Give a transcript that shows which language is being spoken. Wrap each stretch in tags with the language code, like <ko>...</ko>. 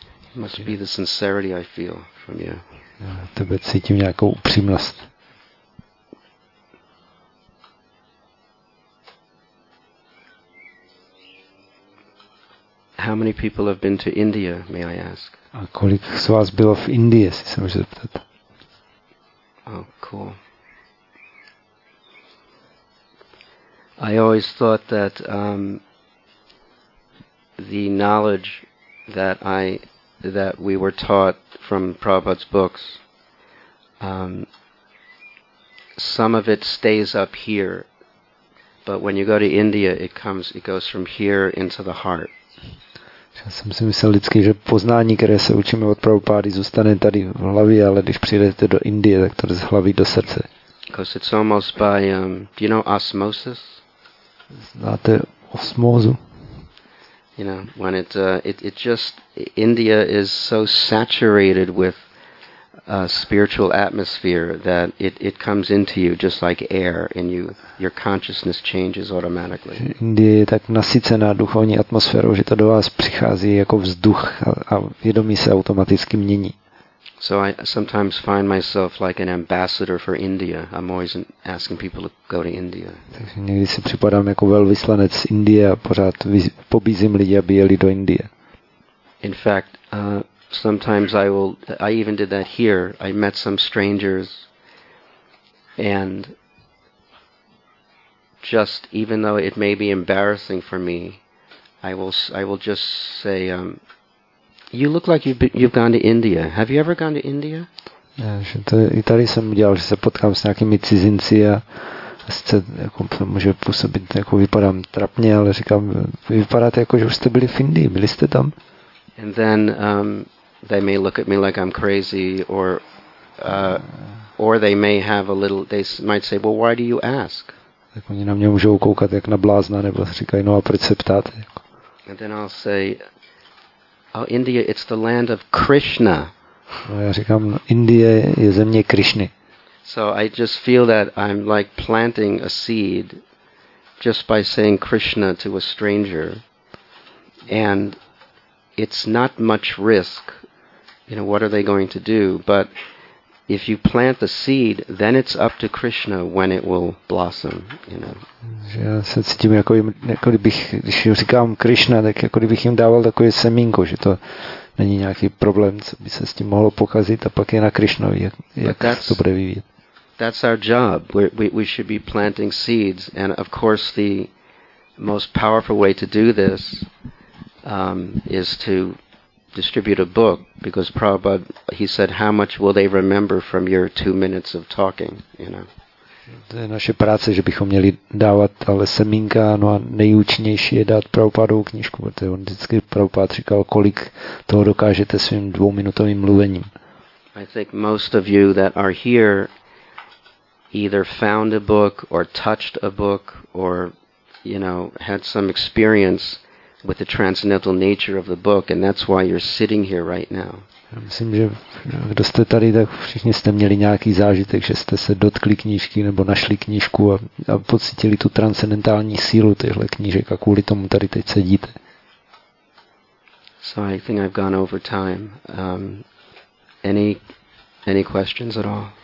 <en>It must be the sincerity I feel from you.</en> <cs>Já tebe cítím nějakou upřímnost.</cs> <en>How many people have been to India, may I ask?</en> <cs>A kolik z vás bylo v Indii, jestli se můžete zeptat?</cs> <en>Oh, cool. I always thought that the knowledge that we were taught from Prabhupada's books, some of it stays up here, but when you go to India, it goes from here into the heart.</en> <cs>Já jsem si myslel vždycky, že poznání, které se učíme od Prabhupády, zůstane tady v hlavě, ale když přijdete do Indie, tak to jde z hlavy do srdce.</cs> <en>Because it's almost by, do you know osmosis?</en> <cs>Znáte osmózu?</cs> <en>You know, when it just, India is so saturated with a spiritual atmosphere that it comes into you just like air, and your consciousness changes automatically.</en> <cs>Indie je tak nasycená duchovní atmosférou, že to do vás přichází jako vzduch a vědomí se automaticky mění.</cs> <en>So I sometimes find myself like an ambassador for India. I'm always asking people to go to India.</en> <cs>Takže někdy si připadám jako velvyslanec z Indie a pořád pobízím lidi, aby jeli do Indie.</cs> <en>In fact, sometimes I even did that here. I met some strangers, and just even though it may be embarrassing for me, I will just say, you look like you've gone to India. Have you ever gone to India?</en> <cs>Že to i tady jsem udělal, že se potkám s nějakými cizinci a sice jako může působit, jako vypadám trapně, ale říkám, vypadáte jako, že už jste byli v Indii, byli jste tam.</cs> <en>And then they may look at me like I'm crazy, or they may have a little. They might say, "Well, why do you ask?"</en> <cs>Tak oni na mě můžou koukat jak na blázna, nebo říkají, no a proč se ptáte?</cs> <en>And then I'll say, "Oh, India, it's the land of Krishna."</en> <cs>No, já říkám, Indie je země Krišny.</cs> <en>So I just feel that I'm like planting a seed, just by saying Krishna to a stranger, and it's not much risk, you know, what are they going to do, but if you plant the seed, then it's up to Krishna when it will blossom, you know.</en> <cs>Já se cítím, jako kdybych, když říkám Krishna, tak jako kdybych jim dával takové semínko, že to není nějaký problém, co by se s tím mohlo pokazit, a pak je na Krishnovi, jak to bude vyvíjet.</cs> <en>That's our job. We should be planting seeds, and of course the most powerful way to do this is to distribute a book, because Prabhupada, he said, how much will they remember from your 2 minutes of talking, you know.</en> <cs>To je naše práce, že bychom měli dávat ale semínka, no a nejúčinnější je dát Prabhupádovou knížku, protože on vždycky Prabhupád říkal, kolik toho dokážete svým dvouminutovým mluvením.</cs> <en>I think most of you that are here either found a book or touched a book or, you know, had some experience with the transcendental nature of the book, and that's why you're sitting here right now.</en> <cs>Myslím, že kdo jste tady, tak všichni jste měli nějaký zážitek, že jste se dotkli knížky nebo našli knížku a pocítili tu transcendentální sílu těchto knížek, a kvůli tomu tady teď sedíte.</cs> <en>So I think I've gone over time. Any questions at all?</en>